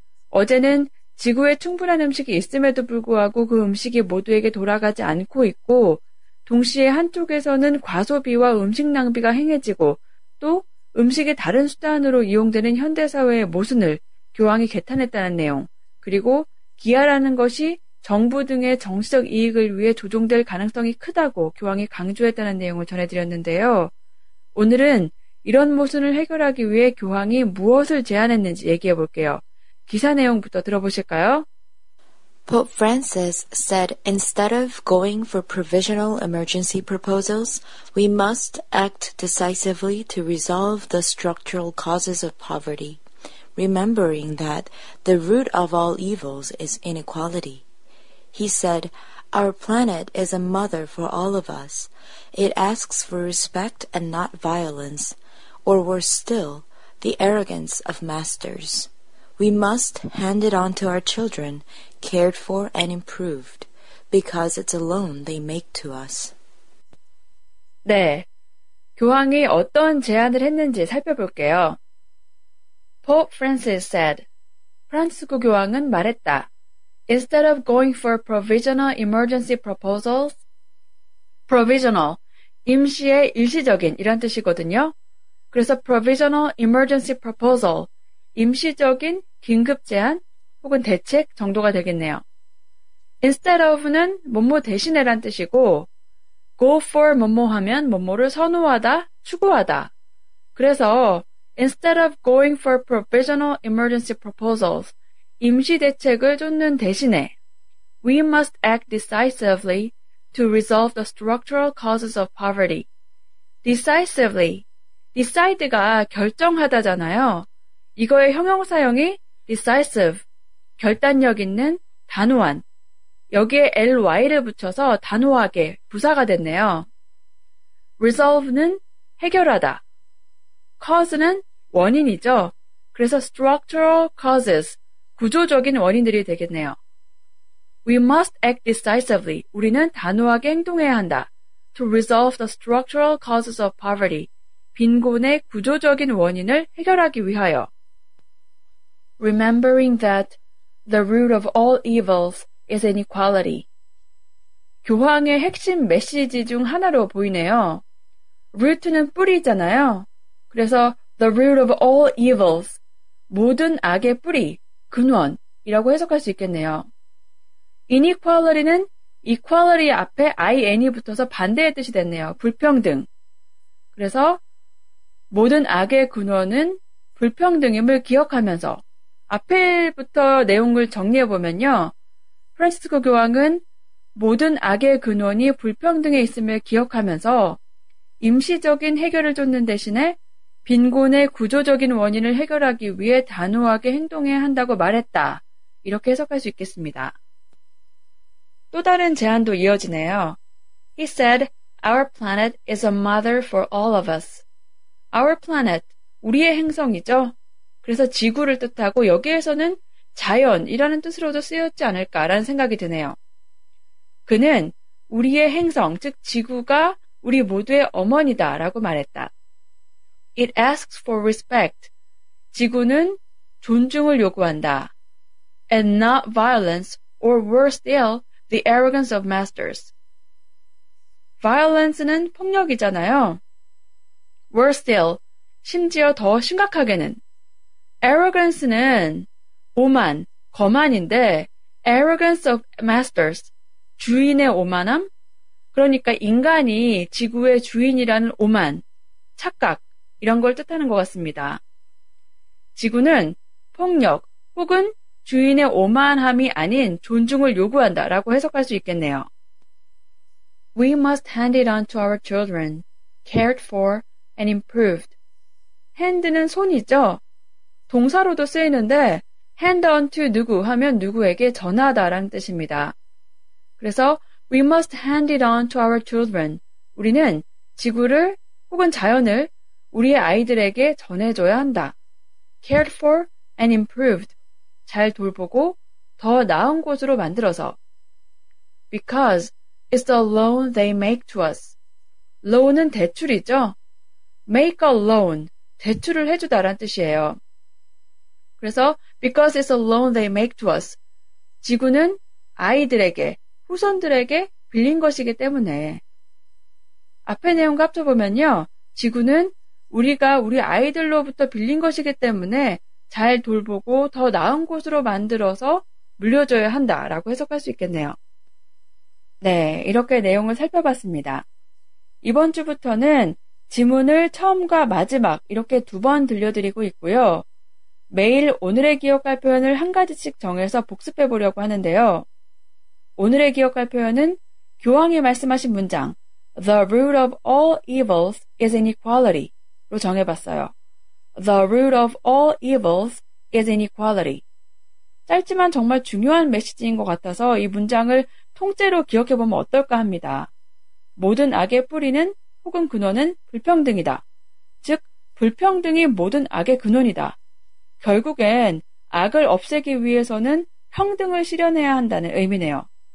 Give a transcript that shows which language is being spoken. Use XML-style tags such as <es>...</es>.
<ko>어제는 지구에 충분한 음식이 있음에도 불구하고 그 음식이 모두에게 돌아가지 않고 있고 동시에 한쪽에서는 과소비와 음식 낭비가 행해지고 또 음식이 다른 수단으로 이용되는 현대사회의 모순을 교황이 개탄했다는 내용 그리고 기아라는 것이 정부 등의 정치적 이익을 위해 조종될 가능성이 크다고 교황이 강조했다는 내용을 전해드렸는데요. 오늘은 이런 모순을 해결하기 위해 교황이 무엇을 제안했는지 얘기해 볼게요. 기사 내용부터 들어보실까요?</ko> <en>Pope Francis said instead of going for provisional emergency proposals, we must act decisively to resolve the structural causes of poverty, remembering that the root of all evils is inequality. He said, Our planet is a mother for all of us. It asks for respect and not violence, or worse still, the arrogance of masters. We must hand it on to our children, cared for and improved, because it's a loan they make to us.</en> <ko>네, 교황이 어떤 제안을 했는지 살펴볼게요.</ko> <en>Pope Francis said,</en> <ko>프란치스코 교황은 말했다.</ko> <en>Instead of going for provisional emergency proposals, provisional,</en> <ko>임시의 일시적인 이런 뜻이거든요. 그래서</ko> <en>provisional emergency proposal,</en> <ko>임시적인 긴급 제안 혹은 대책 정도가 되겠네요. Instead of는 뭐뭐 대신에란 뜻이고, go for 뭐뭐 하면 뭐뭐를 선호하다, 추구하다.</ko> <en>그래서 instead of going for provisional emergency proposals,</en> <ko>임시 대책을 쫓는 대신에</ko> <en>We must act decisively to resolve the structural causes of poverty.</en> <ko>Decisively, decide가 결정하다잖아요. 이거의 형용사형이 decisive, 결단력 있는, 단호한. 여기에 ly를 붙여서 단호하게 부사가 됐네요. Resolve는 해결하다. Cause는 원인이죠. 그래서</ko> <en>structural causes,</en> <ko>구조적인 원인들이 되겠네요.</ko> <en>We must act decisively.</en> <ko>우리는 단호하게 행동해야 한다.</ko> <en>To resolve the structural causes of poverty.</en> <ko>빈곤의 구조적인 원인을 해결하기 위하여.</ko> <en>Remembering that the root of all evils is inequality.</en> <ko>교황의 핵심 메시지 중 하나로 보이네요. root는 뿌리잖아요. 그래서</ko> <en>the root of all evils,</en> <ko>모든 악의 뿌리. 근원이라고 해석할 수 있겠네요. Inequality는 equality 앞에 in이 붙어서 반대의 뜻이 됐네요. 불평등. 그래서 모든 악의 근원은 불평등임을 기억하면서 앞에부터 내용을 정리해보면요. 프란치스코 교황은 모든 악의 근원이 불평등에 있음을 기억하면서 임시적인 해결을 쫓는 대신에 빈곤의 구조적인 원인을 해결하기 위해 단호하게 행동해야 한다고 말했다. 이렇게 해석할 수 있겠습니다. 또 다른 제안도 이어지네요.</ko> <en>He said, Our planet is a mother for all of us. Our planet,</en> <ko>우리의 행성이죠. 그래서 지구를 뜻하고 여기에서는 자연이라는 뜻으로도 쓰였지 않을까라는 생각이 드네요. 그는 우리의 행성, 즉 지구가 우리 모두의 어머니다라고 말했다.</ko> <en>It asks for respect.</en> <ko>지구는 존중을 요구한다.</ko> <en>And not violence, or worse still, the arrogance of masters.</en> <ko>Violence는 폭력이잖아요.</ko> <en>Worse still,</en> <ko>심지어 더 심각하게는. Arrogance는 오만, 거만인데,</ko> <en>arrogance of masters,</en> <ko>주인의 오만함? 그러니까 인간이 지구의 주인이라는 오만, 착각. 이런 걸 뜻하는 것 같습니다. 지구는 폭력 혹은 주인의 오만함이 아닌 존중을 요구한다 라고 해석할 수 있겠네요.</ko> <en>We must hand it on to our children. cared for, and improved.</en> <ko>hand는 손이죠. 동사로도 쓰이는데 hand on to 누구 하면 누구에게 전하다라는 뜻입니다.</ko> <en>그래서 we must hand it on to our children.</en> <ko>우리는 지구를 혹은 자연을 우리의 아이들에게 전해줘야 한다.</ko> <en>cared for and improved.</en> <ko>잘 돌보고 더 나은 곳으로 만들어서.</ko> <en>because it's the loan they make to us.</en> <ko>loan은 대출이죠.</ko> <en>make a loan,</en> <ko>대출을 해주다라는 뜻이에요.</ko> <en>그래서 because it's a loan they make to us.</en> <ko>지구는 아이들에게, 후손들에게 빌린 것이기 때문에. 앞에 내용 합쳐보면요. 지구는 우리가 우리 아이들로부터 빌린 것이기 때문에 잘 돌보고 더 나은 곳으로 만들어서 물려줘야 한다라고 해석할 수 있겠네요. 네, 이렇게 내용을 살펴봤습니다. 이번 주부터는 지문을 처음과 마지막 이렇게 두 번 들려드리고 있고요. 매일 오늘의 기억할 표현을 한 가지씩 정해서 복습해 보려고 하는데요. 오늘의 기억할 표현은 교황이 말씀하신 문장</ko> <en>The root of all evils is inequality</en> <ko>로 정해봤어요.</ko> <en>The root of all evils is inequality.</en> <ko>짧지만 정말 중요한 메시지인 것 같아서 이 문장을 통째로 기억해보면 어떨까 합니다. 모든 악의 뿌리는 혹은 근원은 불평등이다. 즉, 불평등이 모든 악의 근원이다. 결국엔 악을 없애기 위해서는 평등을 실현해야 한다는 의미네요.</ko>